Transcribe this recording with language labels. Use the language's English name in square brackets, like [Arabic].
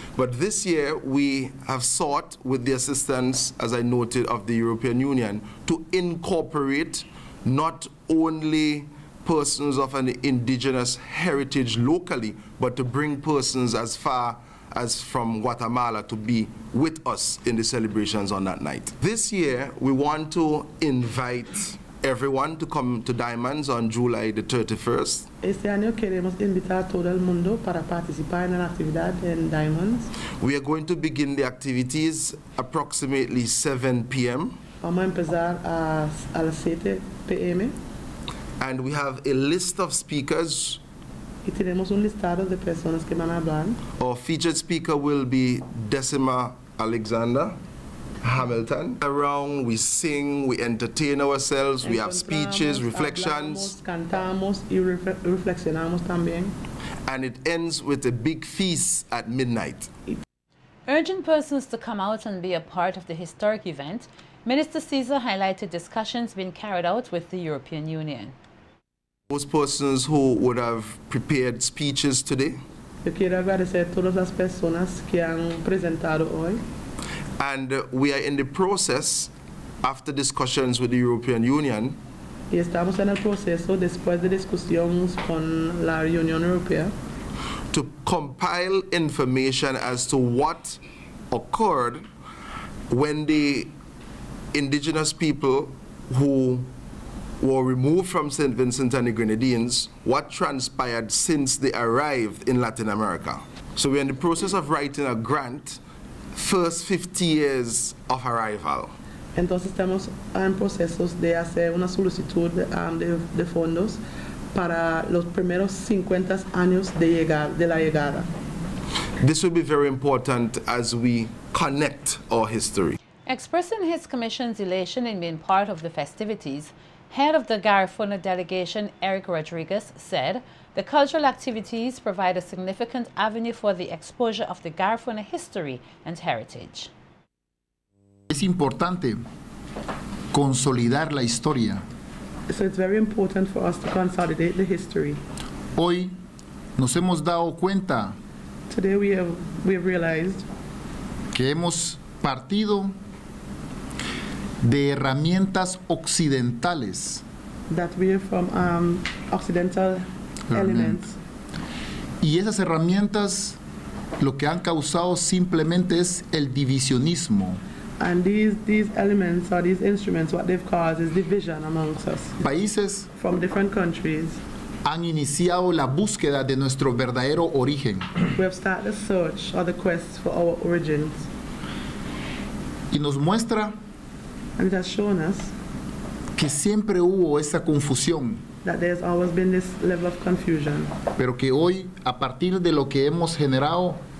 [English] But this year we have sought, with the assistance, as I noted, of the European Union, to incorporate not only persons of an indigenous heritage locally, but to bring persons as far as from Guatemala to be with us in the celebrations on that night. This year, we want to invite everyone to come to Diamonds on July the 31st. [Spanish] Este año queremos invitar a todo el mundo para participar en la actividad en Diamonds. [English] We are going to begin the activities approximately 7 p.m. [Spanish] Vamos a empezar a las 7 p.m. [English] And we have a list of speakers. [Spanish] Y tenemos un listado de personas que van a hablar. [English] Our featured speaker will be Decima Alexander Hamilton. Around, we sing, we entertain ourselves, we have speeches, reflections. Hablamos, cantamos y reflexionamos también. And it ends with a big feast at midnight. Urging persons to come out and be a part of the historic event, Minister Caesar highlighted discussions being carried out with the European Union. Those persons who would have prepared speeches today. [Spanish] Yo quiero agradecer a todas las personas que han presentado hoy. [English] And we are in the process, after discussions with the European Union. [Spanish] Y estamos en el proceso después de discusiones con la Unión Europea. [English] To compile information as to what occurred when the indigenous people who were removed from St. Vincent and the Grenadines, what transpired since they arrived in Latin America. So we're in the process of writing a grant, first 50 years of arrival. [Spanish] Entonces estamos en procesos de hacer una solicitud de fondos para los primeros 50 años de la llegada. [English] This will be very important as we connect our history. Expressing his commission's elation in being part of the festivities, head of the Garifuna delegation, Eric Rodriguez, said the cultural activities provide a significant avenue for the exposure of the Garifuna history and heritage. [Spanish] Es importante consolidar la historia. [English] So it's very important for us to consolidate the history. [Spanish] Hoy nos hemos dado cuenta. [English] Today we have realized [Spanish] que hemos partido de herramientas occidentales. [English] That we are from occidental elements. [Spanish] Y esas herramientas lo que han causado simplemente es el divisionismo. [English] And these elements or these instruments, what they've caused is division amongst us. [Spanish] Países [English] from different countries [Spanish] han iniciado la búsqueda de nuestro verdadero origen. [English] We have started a search or the quest for our origins. [Spanish] Y nos muestra. [English] And it has shown us [Spanish] que siempre hubo esa confusión. [English] That there's always been this level of confusion. [Spanish] Pero que hoy, a partir de lo que hemos generado,